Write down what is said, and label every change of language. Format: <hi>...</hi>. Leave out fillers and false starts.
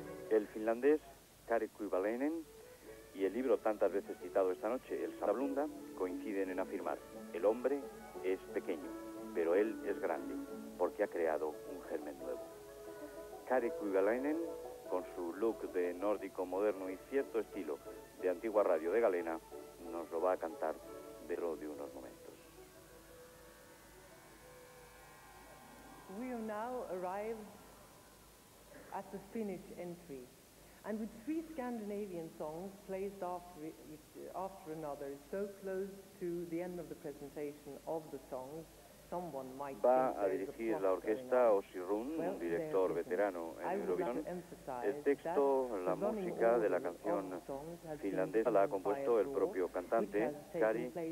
<es>El finlandés Kari Kuivalainen y el libro tantas veces citado esta noche, El Sabanda Blunda, coinciden en afirmar: el hombre es pequeño, pero él es grande, porque ha creado un germen nuevo. Kari Kuivalainen, con su look de nórdico moderno y cierto estilo de antigua radio de galena, nos lo va a cantar dentro de unos momentos.</es> <en>We are now arrived at the Finnish entry, and with three Scandinavian songs placed after another, so close to the end of the presentation of the songs, someone might</en> <es>va a dirigir la orquesta Ossi Rún, un director veterano en Eurovisión. El texto, la música de la canción finlandesa la ha compuesto el propio cantante, Kari</es>